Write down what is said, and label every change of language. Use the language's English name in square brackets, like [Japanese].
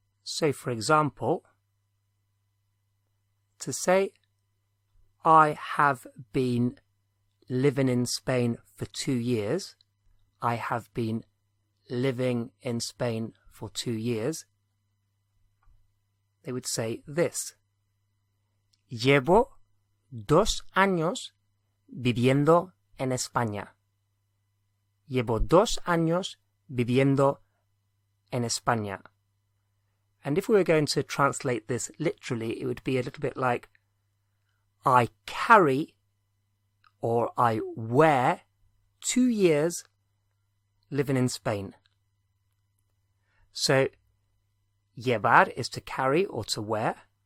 [English] So, for example, to say, I have been living in Spain for 2 years. I have been living in Spain for 2 years. They would say this. [Spanish] Llevo 2 años viviendo en España. Llevo 2 años viviendo en España. [English] And if we were going to translate this literally, it would be a little bit like, I carry or I wear 2 years living in Spain. So, llevar is to carry or to wear.